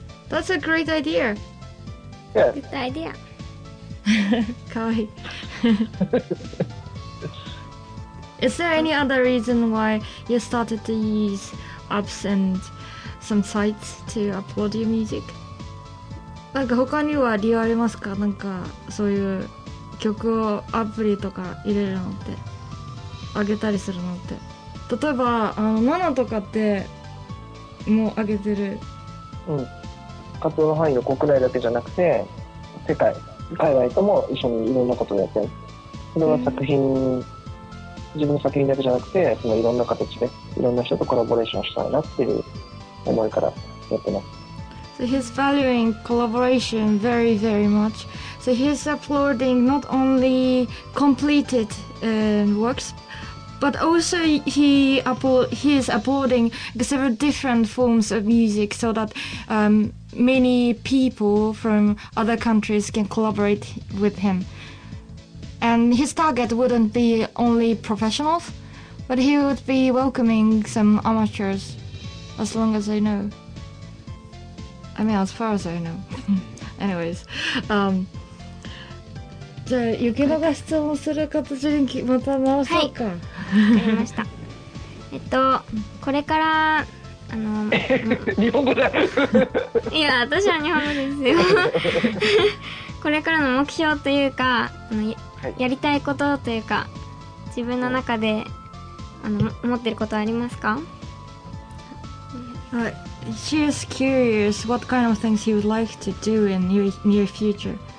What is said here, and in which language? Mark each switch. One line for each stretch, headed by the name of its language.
English: That's a great idea. Yeah. Good idea.
Japanese: かわいい。
English: Is there any other reason why you started to use apps and some sites to upload your music?
Japanese: なんか他には理由ありますか？なんかそういう曲をアプリとか入れるのって、あげたりするのって。例えばあのナナとかってもうあげてる？活動の範囲の国内だけじゃなくて世界、海外とも一緒にいろんなことをやってる。それは作品、自分の作品だけじゃなくて、そのいろんな形でいろんな人とコラボレーションしたいなっていう思いからやってます。
English: So he's valuing collaboration very, very much. So he's uploading not only completed、works, but also he is uploading several different forms of music so that、many people from other countries can collaborate with him. And his target wouldn't be only professionals, but he would be welcoming some amateurs, as long as I know. I mean, as far as I know. Anyways,
Japanese: じゃあ、ゆきのが質問する形に決まった直そうか。はい、わかりました。これからあの日本語だいや、私は日本語ですよこれからの目標というか、あの、はい、やりたいことというか、自分の中で、あの、思ってることありますか？
English: She is curious what kind of things you would like to do in the near future.